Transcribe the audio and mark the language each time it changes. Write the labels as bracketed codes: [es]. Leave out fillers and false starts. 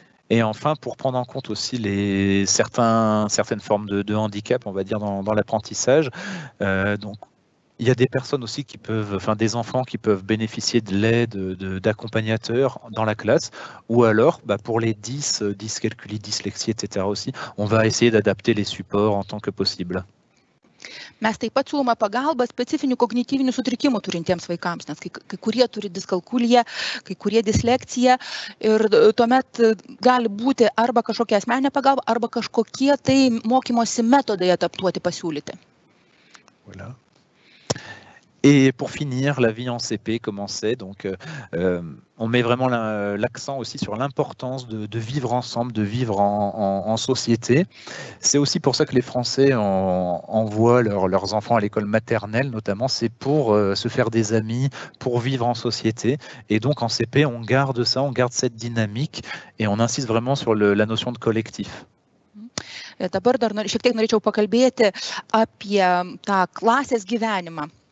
[fr] Et enfin, pour prendre en compte aussi certaines formes de handicap, on va dire, dans l'apprentissage, donc il y a des personnes aussi qui peuvent, enfin des enfants qui peuvent bénéficier de l'aide d'accompagnateurs dans la classe, ou alors pour les 10 calculi, dyslexie, etc. aussi, on va essayer d'adapter les supports en tant que possible. [lt] Mes taip pat siūlome pagalbą specifinių kognityvinių sutrikimų turintiems vaikams, nes kai kurie turi diskalkuliją, kai kurie dislekciją ir tuomet gali būti arba kažkokia asmeninė pagalba, arba kažkokie tai mokymosi metodai adaptuoti pasiūlyti. [fr] Voilà. Et pour finir, la vie en CP, comment c'est? Donc, on met vraiment l'accent aussi sur l'importance de vivre ensemble, de vivre en société. C'est aussi pour ça que les Français envoient leurs enfants à l'école maternelle, notamment, c'est pour se faire des amis, pour vivre en société. Et donc, en CP, on garde ça, on garde cette dynamique et on insiste vraiment sur la notion de collectif. [lt] Dabar dar šiek tiek norėčiau pakalbėti apie tą klasės gyvenimą.